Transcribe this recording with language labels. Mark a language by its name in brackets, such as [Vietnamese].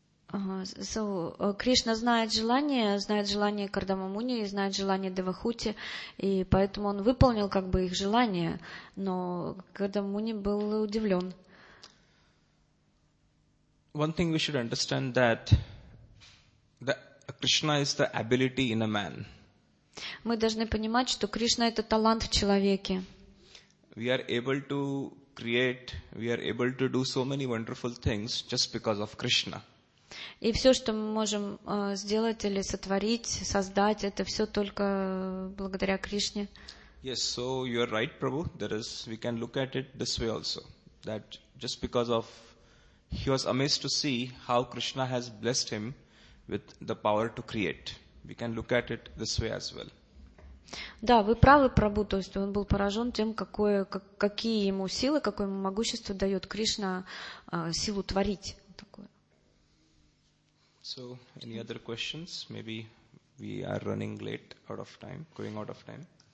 [Russian] Кришна знает желание Кардама Муни, знает желание Девахути, и поэтому он выполнил как бы их желание, но Кардама Муни был удивлен. [English] One thing we should understand that Krishna is the ability in a man. [Russian] Мы должны понимать, что Кришна это талант в человеке. [English] We are able to create, we are able to do so many wonderful things just because of Krishna. [Russian] И все, что мы можем сделать или сотворить, создать, это все только благодаря Кришне. [English] Yes, so you are right, Prabhu. There is, we can look at it this way also. That just because of, he was amazed to see how Krishna has blessed him with the power to create. We can look at it this way as well. [Russian] Да, вы правы, Прабху, то есть он был поражен тем, какие ему силы, какое ему могущество дает Кришна силу творить. [English] So, any other questions? Maybe we are running late, out of time, going out of time.